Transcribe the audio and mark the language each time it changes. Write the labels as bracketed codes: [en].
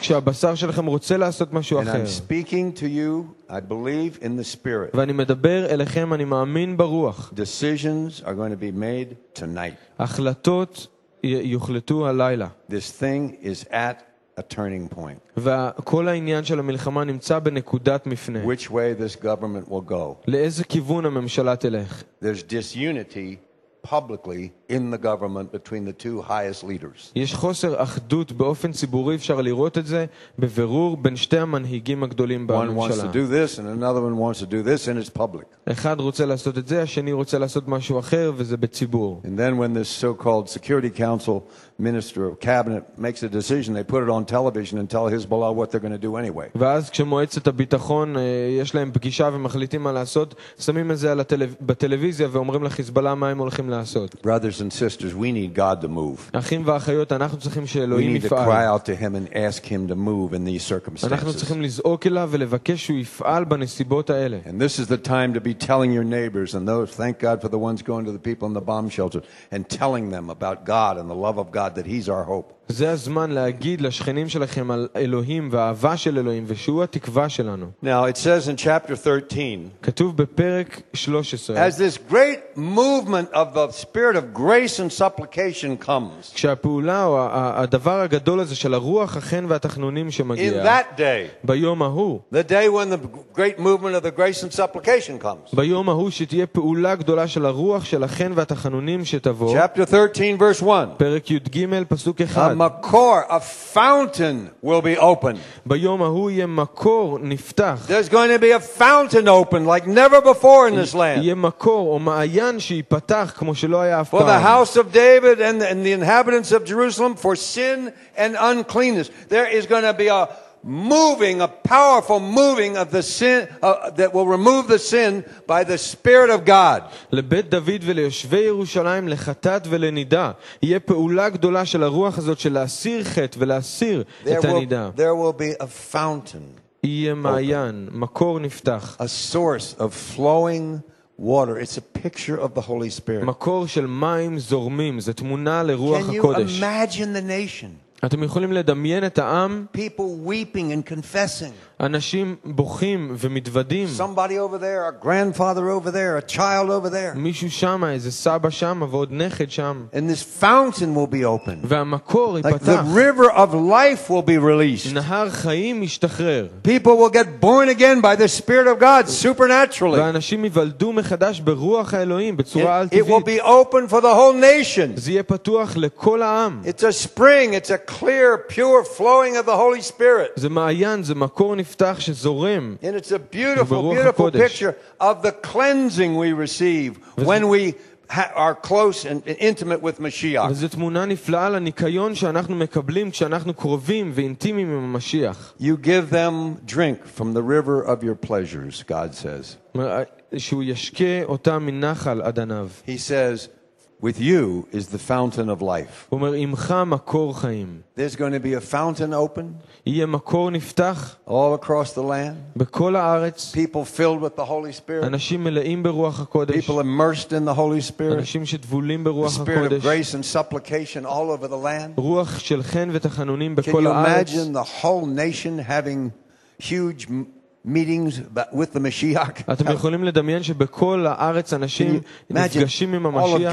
[he] כשהבשר שלכם רוצה לעשות משהו אחר. [en] And I'm speaking to you, I believe in the spirit. [he] ואני מדבר אליכם, אני מאמין ברוח. [en] Decisions are going to be made tonight. [he] החלטות יוחלטו הלילה. [en] This thing is at a turning point. [he] וכל העניין של המלחמה נמצא בנקודת מפנה. [en] Which way this government will go. [he] לאיזה כיוון הממשלה תלך. [en] There's disunity publicly in the government between the two highest leaders. [he] יש חוסר אחדות באופן ציבורי, אפשר לראות את זה בבירור בין שתי המנהיגים הגדולים בממשלה. [en] One wants to do this and another one wants to do this and it's public. [he] אחד רוצה לעשות את זה, השני רוצה לעשות משהו אחר וזה בציבור. [en] And then when this so-called security council minister of cabinet makes a decision, they put it on television and tell Hezbollah what they're going to do anyway. [he] ואז כשמועצת הביטחון יש להם פגישה ומחליטים מה לעשות, שמים את זה על בטלוויזיה ואומרים לחיזבאללה מה הם הולכים לעשות. [en] Brothers and sisters, we need God to move. [he] אחים ואחיות, אנחנו צריכים שאלוהים יפעל. [en] We need to cry out to him and ask him to move in these circumstances. [he] אנחנו צריכים לזעוק אליו ולבקש שהוא יפעל בנסיבות האלה. [en] And this is the time to be telling your neighbors and those, thank God for the ones going to the people in the bomb shelter and telling them about God and the love of God that he's our hope. [he] זה הזמן להגיד לשכנים שלכם על אלוהים והאהבה של אלוהים ושהוא התקווה שלנו. [en] Now it says in chapter 13. [he] כתוב בפרק 13. [en] As this great movement of the spirit of grace and supplication comes. [he] כשהפעולה או הדבר הגדול הזה של הרוח החן והתחנונים שמגיע. [en] In that day. [he] ביום ההוא. [en] The day when the great movement of the grace and supplication comes. [he] ביום ההוא שתהיה פעולה גדולה של הרוח של החן והתחנונים שתבוא. [en] Chapter 13 verse 1. [he] פרק י"ג פסוק 1. [en] מקור, a fountain will be open. [he] ביום ההוא יהיה מקור נפתח. [en] There's going to be a fountain open like never before in this land. [he] יהיה מקור או מעיין שיפתח כמו שלא היה אף פעם. [en] For the house of David and the inhabitants of Jerusalem for sin and uncleanness. There is going to be a moving, a powerful moving of the sin that will remove the sin by the spirit of God. [he] לבית דוד וליושבי ירושלים לחטאת ולנידה יהיה פעולה גדולה של הרוח הזאת של להסיר חטא ולהסיר את הנידה. [en] There will be a fountain. [he] יהיה מעיין, מקור נפתח. [en] A source of flowing water. It's a picture of the Holy Spirit. [he] מקור של מים זורמים, זה תמונה לרוח הקודש. [en] Can you imagine the nation? [he] אתם יכולים לדמיין את העם? [en] People weeping and confessing. [he] אנשים בוכים ומתוודים. [en] Somebody over there, a grandfather over there, a child over there. [he] מישהו שם, איזה סבא שם, ועוד נכד שם. [en] And this fountain will be opened. [he] והמקור ייפתח. [en] Like the river of life will be released. [he] נהר חיים ישתחרר. [en] People will get born again by the Spirit of God supernaturally. [he] ואנשים יוולדו מחדש ברוח האלוהים בצורה על טבעית. [en] It will be open for the whole nation. [he] זה יהיה פתוח לכל העם. [en] It's a spring. It's a clear, pure flowing of the Holy Spirit. [he] זה מעיין, זה מקור נפתח שזורם. [en] And it's a beautiful, beautiful picture of the cleansing we receive when we are close and intimate with Mashiach. [he] וזה תמונה נפלאה לניקיון שאנחנו מקבלים כשאנחנו קרובים ואינטימיים עם המשיח. [en] You give them drink from the river of your pleasures, God says. [he] שהוא ישקה אותם מנחל אדניו. [en] He says, with you is the fountain of life. [he] אומר עמך מקור חיים. [en] There's going to be a fountain open. [he] יהיה מקור נפתח. [en] All across the land. [he] בכל הארץ. [en] People filled with the Holy Spirit. [he] אנשים מלאים ברוח הקודש. [en] People immersed in the Holy Spirit. [he] אנשים שטבולים ברוח הקודש. [en] The Spirit of grace and supplication all over the land. [he] רוח של חן ותחנונים בכל הארץ. [en] Can you imagine the whole nation having huge meetings with the Mashiach? [he] אתם יכולים לדמיין שבכל הארץ אנשים נפגשים עם המשיח?